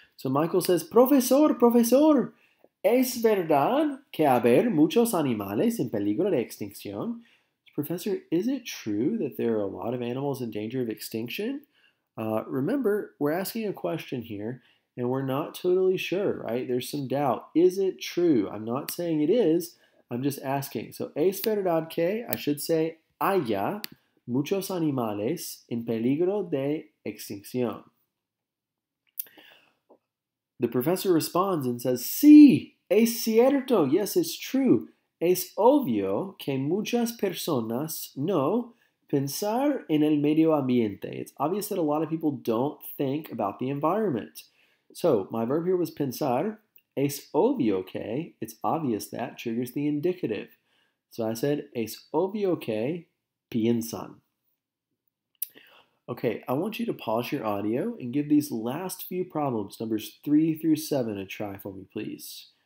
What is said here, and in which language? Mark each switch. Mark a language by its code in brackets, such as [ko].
[en] So Michael says, [es] "Profesor, profesor, ¿es verdad que haber muchos animales en peligro de extinción?" [en] Professor, is it true that there are a lot of animals in danger of extinction? Remember, we're asking a question here, and we're not totally sure, right? There's some doubt. Is it true? I'm not saying it is. I'm just asking. [es] So, ¿es verdad que, [en] I should say, [es] haya muchos animales en peligro de extinción? [en] The professor responds and says, [es] sí, es cierto. [en] Yes, it's true. [es] Es obvio que muchas personas no pensar en el medio ambiente. [en] It's obvious that a lot of people don't think about the environment. So, my verb here was pensar. [es] Es obvio que, [en] it's obvious that, triggers the indicative. So I said, [es] es obvio que piensan. [en] Okay, I want you to pause your audio and give these last few problems, numbers 3 through 7, a try for me, please.